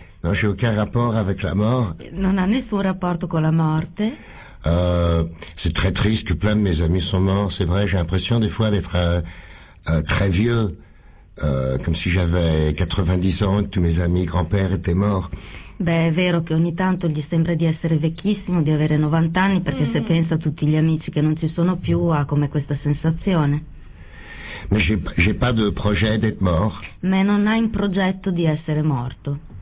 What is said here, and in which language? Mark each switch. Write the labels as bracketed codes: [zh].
[fr] Non, j'ai aucun rapport avec la mort. [it] Non a nessun rapporto con la morte. [fr] C'est très triste que plein de mes amis sont morts, c'est vrai, j'ai l'impression des fois d'être très vieux, comme si j'avais 90 ans et tous mes amis, grand-père étaient morts. [it] Beh, è vero che ogni tanto gli sembra di essere vecchissimo, di avere 90 anni, perché se pensa a tutti gli amici che non ci sono più, ha come questa sensazione. [fr] Mais j'ai pas de projet d'être mort. [it] Ma non hai un progetto di essere morto.